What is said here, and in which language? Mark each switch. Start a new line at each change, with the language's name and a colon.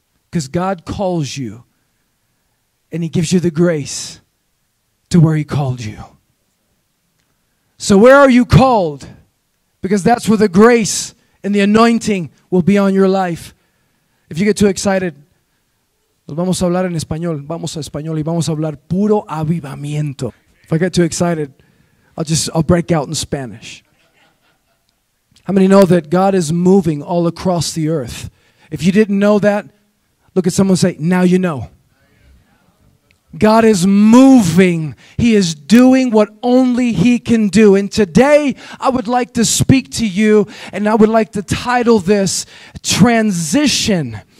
English: Because God calls you and he gives you the grace to where he called you. So where are you called? Because that's where the grace and the anointing will be on your life. If you get too excited,
Spanish: vamos a hablar en español. Vamos a español y vamos a hablar puro avivamiento.
English: If I get too excited, I'll break out in Spanish. How many know that God is moving all across the earth? If you didn't know that, look at someone and say, now you know. God is moving. He is doing what only he can do. And today, I would like to speak to you, and I would like to title this Transition.